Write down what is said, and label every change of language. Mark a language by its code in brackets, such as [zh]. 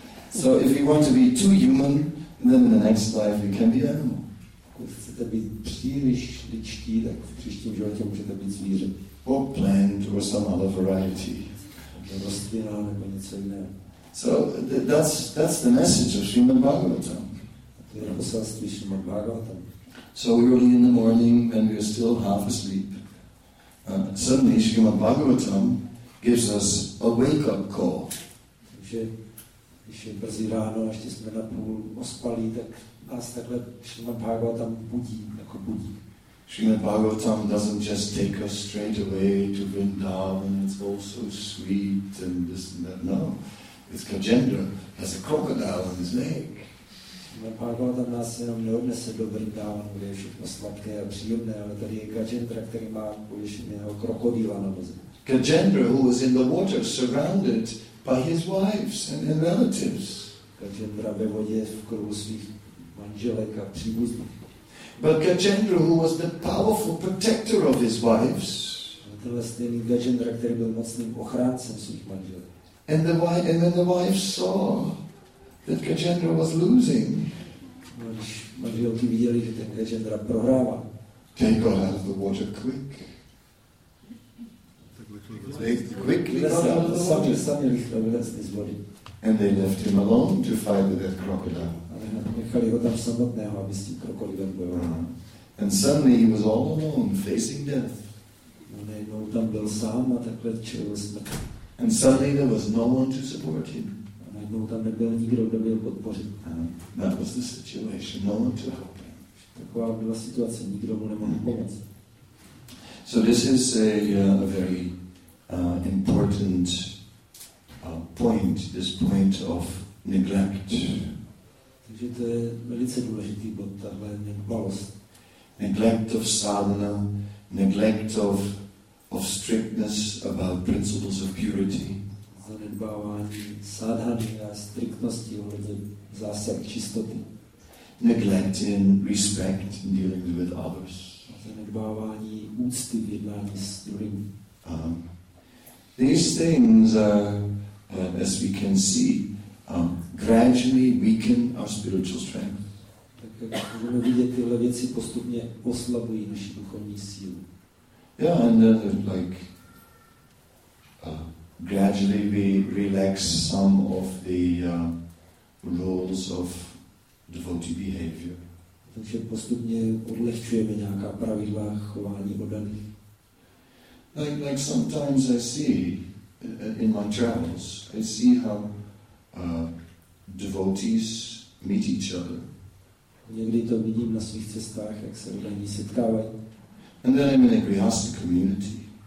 [en] So if you want to be too human, then in the next life you can be animal. [cs] Pokud chcete být příliš lidský, tak v příštím životě můžete být zvíře. [en] Or plant or some other variety. [cs] Rostlina nebo něco jiného. [en] So that's the message of Srimad Bhagavatam. [cs] To je poselství Srimad Bhagavatam. [en] So early in the morning when we are still half asleep, suddenly Srimad Bhagavatam gives us a wake-up call. [cs] Takže když je brzy ráno, ještě jsme napůl ospalí, tak nás takhle Srimad Bhagavatam budí, jako budí. [en] Srimad Bhagavatam doesn't just take us straight away to Vrindavan, it's all so sweet and this and that, no. It's Gajendra has a crocodile on his leg. [cs] Srimad Bhagavatam nás jenom neodnese do Vrindavan, kde je všechno sladké a příjemné, ale tady je Gajendra, který má pověšeného krokodýla na noze. [en] Gajendra, who was in the water, surrounded by his wives and his relatives. [cs] Gajendra ve vodě v kruhu svých manželek a příbuzných. [en] But Gajendra, who was the powerful protector of his wives, [cs] Gajendra, který byl mocným ochráncem svých manželek. [en] And the wife, and then the wife saw that Gajendra was losing. [cs] Manželky viděli, že ten Gajendra prohrává. [en] They got out of the water quick. They quickly got out of the water. And they left him alone to fight with that crocodile. [cs] Nechali ho tam samotného, aby s tím krokodýlem bojoval. [en] And suddenly he was all alone, facing death. [cs] Najednou tam byl sám a takhle čelil smrti. [en] And suddenly there was no one to support him. [cs] A najednou tam nebyl nikdo, kdo by ho podpořil. [en] That was the situation, no one to help him. [cs] Taková byla situace, nikdo mu nemohl pomoct. [en] So this is a very important point, this point of neglect. [cs] Takže to je velice důležitý bod, tahle nedbalost. [en] Neglect of sadhana, neglect of strictness about principles of purity. [cs] Zanedbávání sadhany a striktnosti ohledně zásad čistoty. [en] Neglect in respect in dealing with others. [cs] Zanedbávání úcty v jednání s druhými. [en] These things are, as we can see, gradually weaken our spiritual strength. [cs] Tak jak můžeme vidět, tyhle věci postupně oslabují naši duchovní sílu. [en] Yeah, and gradually we relax some of the rules of devotee behavior. [cs] Takže postupně odlehčujeme nějaká pravidla chování oddaných. [en] Like sometimes I see in my travels, I see how devotees meet each other. [cs] Někdy to vidím na svých cestách, jak se oddaní setkávají. [en] And then I'm in a grihastha community.